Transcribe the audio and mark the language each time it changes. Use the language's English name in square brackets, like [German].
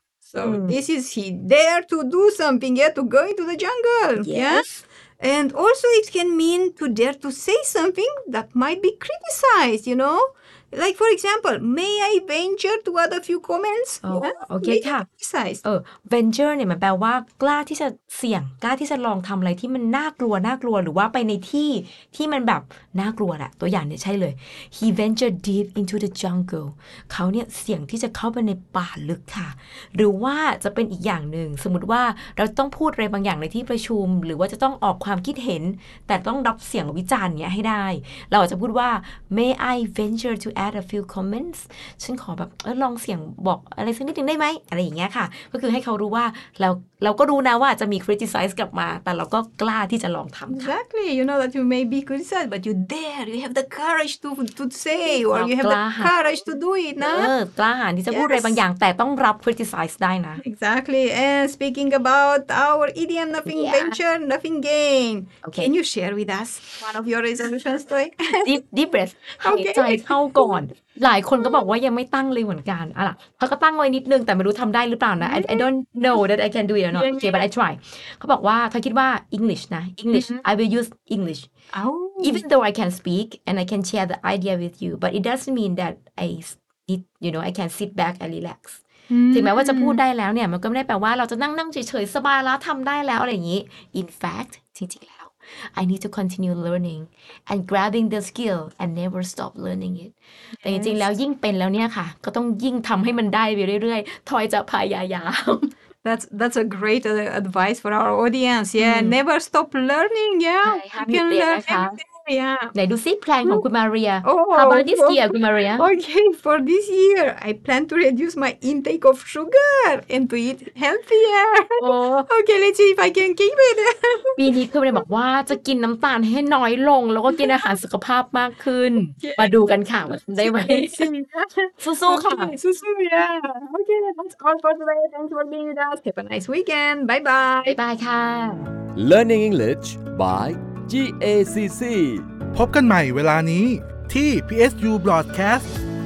[English] So this is he dare to do something, yeah, to go into the jungle. Yes. Yeah? And also it can mean to dare to say something that might be criticized, you know? Like, for example, may I venture to add a few comments? Oh, yeah? okay, may ค่ะ [Thai] Venture เนี่ยมันแปลว่ากล้าที่จะเสี่ยงกล้าที่จะลองทำอะไรที่มันน่ากลัวหรือว่าไปในที่ที่มันแบบน่ากลัวแหละตัวอย่างเนี่ยใช่เลย [English] He ventured deep into the jungle [Thai] เขาเนี่ยเสี่ยงที่จะเข้าไปในป่าลึกค่ะหรือว่าจะเป็นอีกอย่างนึงสมมติว่าเราต้องพูดอะไรบางอย่างในที่ประชุมหรือว่าจะต้องออกความคิดเห็นแต่ต้องรับเสียงวิจารณ์เนี่ยให้ได้เราอาจจะพูดว่า [English] May I venture to add a few comments [Thai] ฉันขอแบบลองเสียงบอกอะไรสักนิดนึงได้ไหมอะไรอย่างเงี้ยค่ะก็คือให้เขารู้ว่าเราก็รู้นะว่าจะมี criticize กลับมาแต่เราก็กล้าที่จะลองทำ [English] Exactly you know that you may be criticized but you dare you have the courage to say or you have the courage to do it นะ [Thai] กล้าหาญที่จะพูดอะไรบางอย่างแต่ต้องรับ criticize ได้นะ [English] Exactly and speaking about our idiom nothing venture nothing gain okay. can you share with us one of your resolutions Toy deep breath [Thai] หายใจเข้าก่อนหลายคนก็บอกว่ายังไม่ตั้งเลยเหมือนกันอ่ะล่ะเขาก็ตั้งไว้นิดนึงแต่ไม่รู้ทำได้หรือเปล่านะ [English] I don't know that I can do it or not okay but I try [Thai] เขาบอกว่าเขาคิดว่า English นะ English [English] I will use English even though I can speak and I can share the idea with you but it doesn't mean that I need you know I can sit back and relax [Thai] ถึงแม้ว่าจะพูดได้แล้วเนี่ยมันก็ไม่ได้แปลว่าเราจะนั่งเฉยๆสบายแล้วทำได้แล้วอะไรอย่างนี้ [English] In fact [Thai] จริงๆแล้ว [English] I need to continue learning and grabbing the skill and never stop learning it [Thai] แต่จริงๆแล้วยิ่งเป็นแล้วเนี่ยค่ะก็ต้องยิ่งทำให้มันได้ไปเรื่อยๆทอยจะพยายาม [English] That's a great advice for our audience yeah never stop learning yeah you can learn everything Yeah. [Thai] ไหนดูซิแพลนของคุณมาเรีย [English] How about this year คุณมาเรีย Okay for this year I plan to reduce my intake of sugar and to eat healthier Okay let's see if I can keep it [Thai] ปีนี้คุณมาเรียบอกว่าจะกินน้ำตาลให้น้อยลงแล้วก็กินอาหารสุขภาพมากขึ้น มาดูกันค่ะได้ไหม สู้ๆค่ะ [English] okay, [Thai] สู้ๆ [English] yeah Okay that's all for today thanks for being with us have a nice weekend bye bye bye bye ค่ะ Learning English byGACC [Thai] พบกันใหม่เวลานี้ที่ PSU Broadcast